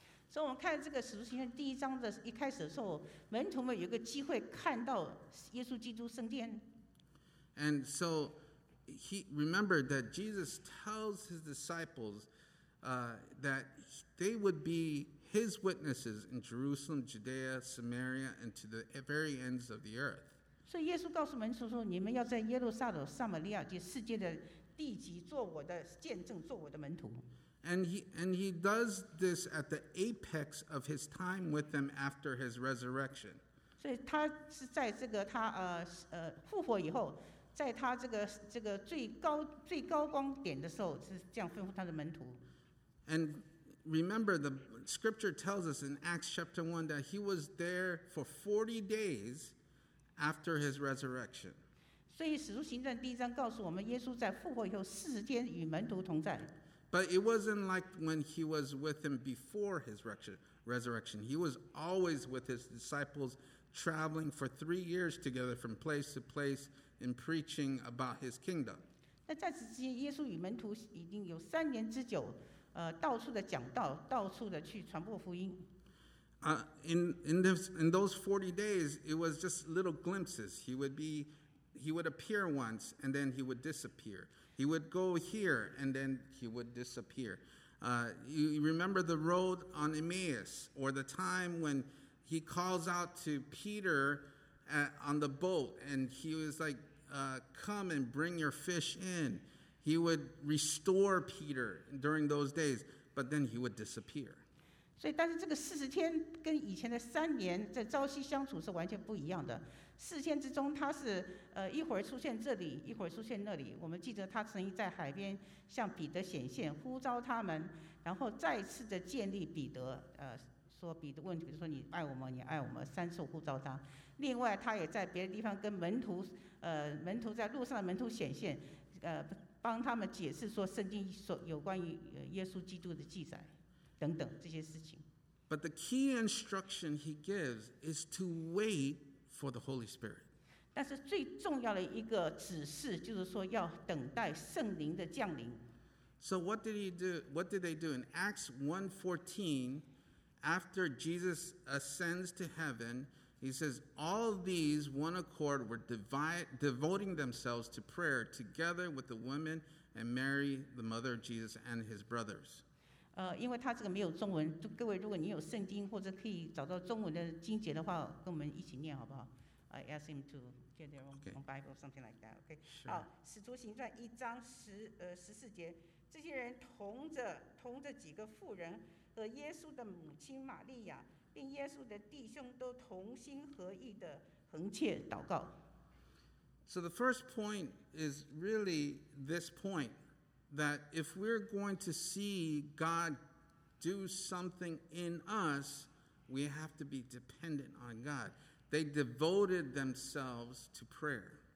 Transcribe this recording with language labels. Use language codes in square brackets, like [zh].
[zh] 所以我们看这个《使徒行传》第一章的一开始的时候，门徒们有个机会看到耶稣基督升天。 [en] And so he remembered that Jesus tells his disciples, that they would be his witnesses in Jerusalem, Judea, Samaria, and to the very ends of the earth. [zh] 所以耶稣告诉门徒说：“你们要在耶路撒冷、撒玛利亚及世界的地极做我的见证，做我的门徒。” [en] And he does this at the apex of his time with them after his resurrection. [zh] 所以他是在这个他复活以后，在他这个最高光点的时候，是这样吩咐他的门徒。 [en] And remember, the scripture tells us in Acts chapter 1 that he was there for 40 days after his resurrection. [zh] 所以使徒行传第一章告诉我们，耶稣在复活以后四十天与门徒同在。 [en] But it wasn't like when he was with him before his resurrection. He was always with his disciples, traveling for 3 years together from place to place and preaching about his kingdom. [zh] 那在此之间，耶稣与门徒已经有三年之久，到处的讲道，到处的去传播福音。 [en] In those 40 days, it was just little glimpses. He would appear once, and then he would disappear. He would go here, and then he would disappear. You remember the road on Emmaus, or the time when he calls out to Peter on the boat, and he was like, come and bring your fish in. He would restore Peter during those days, but then he would disappear. [zh] 所以但是这个40天跟以前的三年在朝夕相处是完全不一样的。四天之中他是一会儿出现这里，一会儿出现那里。我们记得他曾经在海边向彼得显现，呼召他们，然后再次的建立彼得，说彼得问，比如说你爱我吗？你爱我吗？三次呼召他。另外他也在别的地方跟门徒在路上的门徒显现，帮他们解释说圣经所有关于耶稣基督的记载等等这些事情。 [en] But the key instruction he gives is to wait for the Holy Spirit. [zh] 但是最重要的一个指示就是说要等待圣灵的降临。 [en] So what did he do? What did they do in Acts 1:14? After Jesus ascends to heaven, he says, "All these, one accord, were devoting themselves to prayer together with the women and Mary, the mother of Jesus, and his brothers." [zh] 因为他这个没有中文，各位如果你有圣经或者可以找到中文的经节的话，跟我们一起念好不好？ [en] I ask him to get their own Bible, something like that. Sure. [zh] 好，使徒行传一章十四节，这些人同着几个妇人和耶稣的母亲玛利亚，并耶稣的弟兄都同心合意的恒切祷告。 [en] So the first point is really this point. That if we're going to see God do something in us, we have to be dependent on God. They devoted themselves to prayer.